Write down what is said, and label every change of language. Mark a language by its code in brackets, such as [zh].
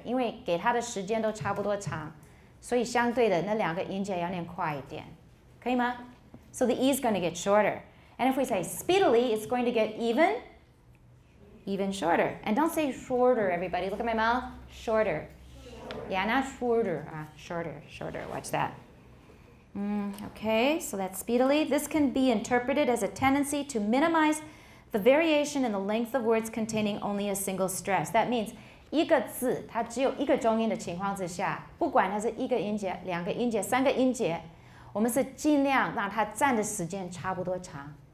[zh] 因为给它的时间都差不多长，所以相对的那两个音节要念快一点，可以吗？ [en] So the E is going to get shorter. And if we say speedily, it's going to get even shorter. And don't say shorter, everybody. Look at my mouth. Shorter. Yeah, not shorter. Shorter. Watch that. Okay, so that's speedily. This can be interpreted as a tendency to minimize the variation in the length of words containing only a single stress. That means [zh] 一个字它只有一个中音的情况之下，不管它是一个音节、两个音节、三个音节，我们是尽量让它占的时间差不多长。